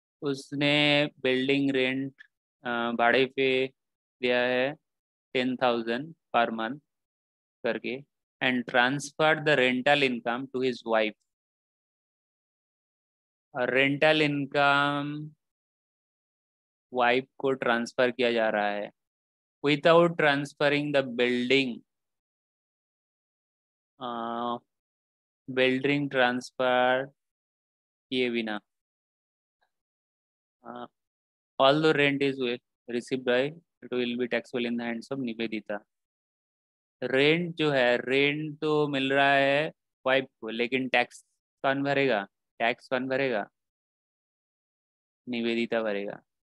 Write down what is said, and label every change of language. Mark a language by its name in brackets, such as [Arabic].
[Hindi] उसने building rent भाड़े पे दिया है 10,000 पर मंथ करके, [English] And transfer the rental income to his wife. [Hindi] Rental income wife को ट्रांसफर किया जा रहा है [English] without transferring the building. [Hindi] Building transfer किए बिना, [English] all the rent is received by, it will be taxable in the hands of Nivedita. [Hindi] Rent जो है, rent तो मिल रहा है wife को, लेकिन tax कौन भरेगा? Tax कौन भरेगा? Nivedita भरेगा.